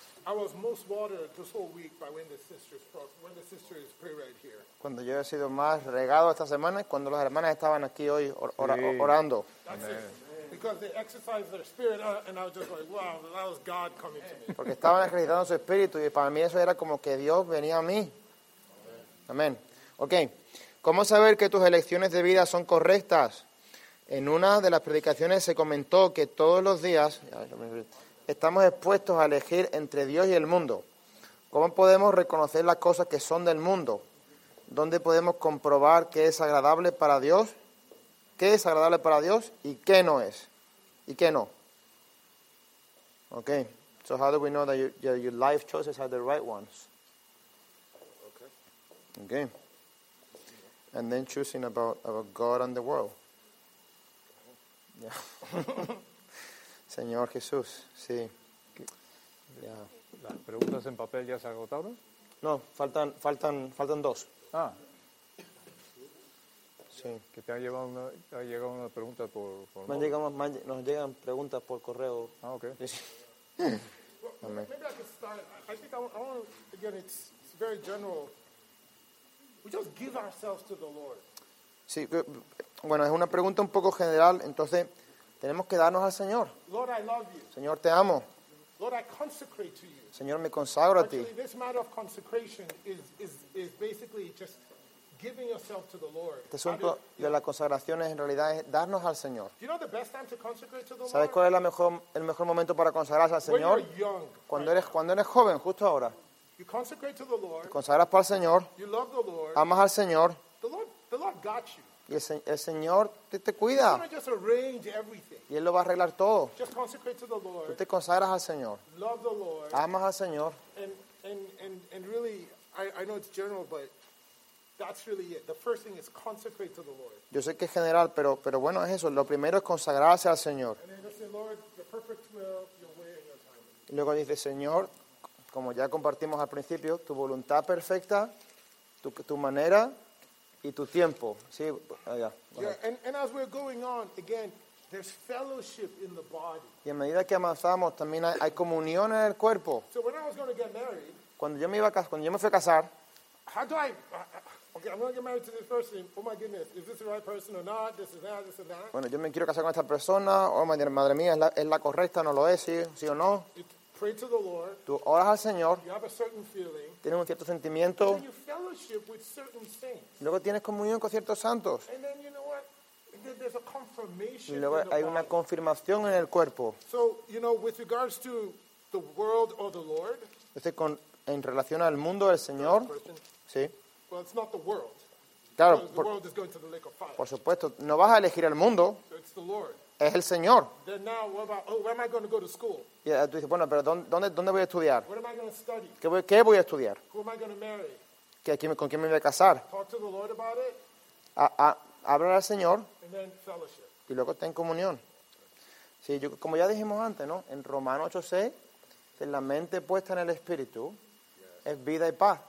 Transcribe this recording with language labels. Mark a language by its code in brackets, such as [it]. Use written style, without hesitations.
[en] I was most watered this whole week by when the sisters pray right here. [es] Cuando yo he sido más regado esta semana cuando las hermanas estaban aquí hoy orando. [en] Because they exercised their spirit, and I was just like, wow, that was God coming to me. [es] Porque estaban ejercitando su espíritu, y para mí eso era como que Dios venía a mí. Amén. Okay. ¿Cómo saber que tus elecciones de vida son correctas? En una de las predicaciones se comentó que todos los días estamos expuestos a elegir entre Dios y el mundo. ¿Cómo podemos reconocer las cosas que son del mundo? ¿Dónde podemos comprobar qué es agradable para Dios? ¿Qué es agradable para Dios y qué no es? ¿Y qué no? Okay. [en] So how do we know that your life choices are the right ones? Okay. And then choosing about God and the world. [es] Yeah. Señor Jesús, sí. Yeah. ¿Las preguntas en papel ya se agotaron? No, faltan dos. Ah. Sí. Que te ha llegado una pregunta por me llegamos, nos llegan preguntas por correo. Ah, okay. [en] Well, maybe I can start. I think I want to, again, it's very general. We just give ourselves to the Lord. [es] Sí, bueno, es una pregunta un poco general, entonces tenemos que darnos al Señor. [en] Lord, I love you. [es] Señor, te amo. [en] Lord, I consecrate to you. [es] Señor, me consagro [en] actually, [es] a ti. [en] This matter of consecration is basically just giving yourself to the Lord. [es] Este asunto de la consagración es en realidad es darnos al Señor. [en] Do you know the best time to consecrate to the Lord? [es] ¿Sabes cuál es el mejor momento para consagrarse al Señor? [en] When you're young, [es] cuando eres joven, justo ahora. [en] You consecrate to the Lord. [es] Te consagras para el Señor. [en] You love the Lord. [es] Amas al Señor. [en] The Lord got you. [es] Y el Señor te cuida. Y Él lo va a arreglar todo. Tú te consagras al Señor. [en] Love the Lord. [es] Amas al Señor. [en] And really, I know it's general, but that's really it. The first thing is consecrate to the Lord. [es] Yo sé que es general, pero bueno, es eso. Lo primero es consagrarse al Señor. [en] And then say, Lord, the perfect will, your way and your timing. [es] Y luego dice, Señor, como ya compartimos al principio, tu voluntad perfecta, tu manera y tu tiempo, sí, allá. [en] Yeah, and as we're going on, again, there's fellowship in the body. [es] Y a medida que avanzamos, también hay comunión en el cuerpo. [en] So when I was going to get married, [es] cuando yo me fui a casar, [en] how do I? Okay, I'm going to get married to this person. Oh my goodness, is this the right person or not? This and that. [es] Bueno, yo me quiero casar con esta persona. Oh my madre mía, es la correcta, no lo es, sí o no? [en] Pray to the Lord. [es] Tú oras al Señor. [en] You have a certain feeling. [es] Tienes un cierto sentimiento. [en] And you fellowship with certain saints. [es] Luego tienes comunión con ciertos santos. [en] And then you know what? There's a confirmation. [es] Y luego hay una confirmación en el cuerpo. [en] So, you know, with regards to the world or the Lord. [es] Entonces, en relación al mundo del Señor. Sí. [en] Well, it's not the world. [es] Claro. [en] The world is going to the lake of fire. [es] Por supuesto, no vas a elegir el mundo. [en] So it's the Lord. [es] Es el Señor. [en] Then now, what about, where am I going to go to school? [es] Yeah, tú dices, bueno, pero ¿dónde voy a estudiar? [en] What am I going to study? [es] ¿Qué voy a estudiar? [en] Who am I going to marry? [es] ¿Con quién me voy a casar? [en] Talk to the Lord about it. [es] Hablar al Señor. [en] And then fellowship. [es] Y luego está en comunión. Sí, yo, como ya dijimos antes, ¿no? En Romanos 8:6, la mente puesta en el Espíritu es vida y paz.